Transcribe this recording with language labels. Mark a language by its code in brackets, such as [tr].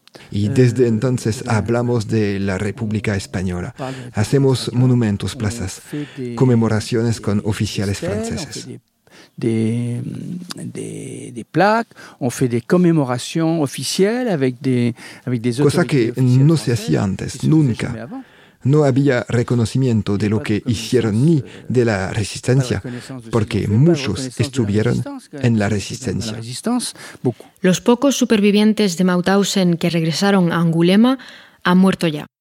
[es] Y desde entonces hablamos de la República Española. Hacemos monumentos, plazas, conmemoraciones con oficiales franceses. [fr] Des plaques, on fait des commémorations officielles avec des [es] cosa que no se hacía antes, nunca. No había reconocimiento de lo que hicieron ni de la resistencia, porque muchos estuvieron en la resistencia. Los pocos supervivientes de Mauthausen que regresaron a Angulema han muerto ya.